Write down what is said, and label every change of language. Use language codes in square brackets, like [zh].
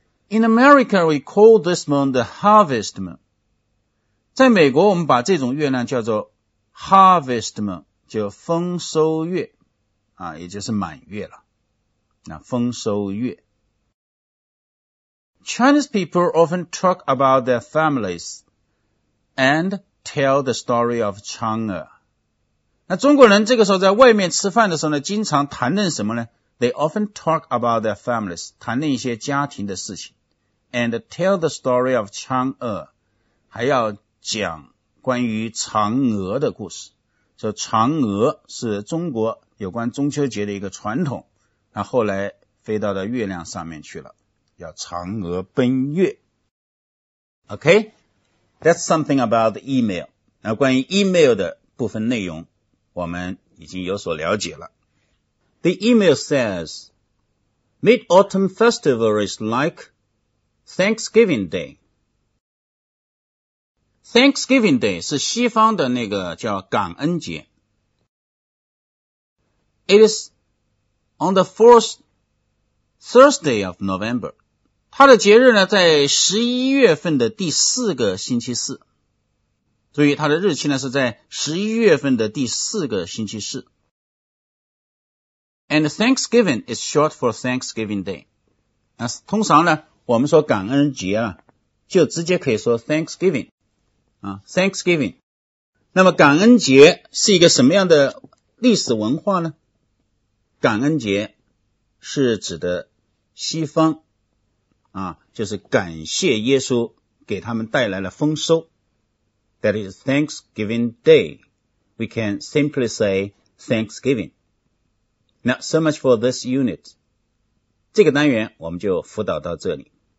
[en] In America, we call this moon the harvest moon. [zh] 在美国我们把这种月亮叫做 harvest moon, 就丰收月、啊、也就是满月了。那丰收月。 [en] Chinese people often talk about their families and tell the story of Chang'e. [zh] 那中国人这个时候在外面吃饭的时候呢经常谈论什么呢 [en] They often talk about their families, [zh] 谈论一些家庭的事情。 [en] And tell the story of Chang'e, [zh] 还要讲关于嫦娥的故事。说嫦娥是中国有关中秋节的一个传统，那后来飞到了月亮上面去了，叫嫦娥奔月。 [en] Okay, that's something about the email. [zh] 那关于 email 的部分内容，我们已经有所了解了。 [en] The email says, Mid-Autumn Festival is like,Thanksgiving Day. [zh] Thanksgiving Day 是西方的那个叫感恩节。 [en] It is on the fourth Thursday of November. [zh] 它的节日呢在11月份的第四个星期四。注意它的日期呢是在11月份的第四个星期四。 [en] And Thanksgiving is short for Thanksgiving Day. [zh] 那通常呢我们说感恩节啊就直接可以说 Thanksgiving, 啊 ,Thanksgiving。那么感恩节是一个什么样的历史文化呢感恩节是指的西方啊就是感谢耶稣给他们带来了丰收。 [en] That is Thanksgiving Day. We can simply say Thanksgiving. Now, so much for this unit. [zh] 这个单元我们就辅导到这里。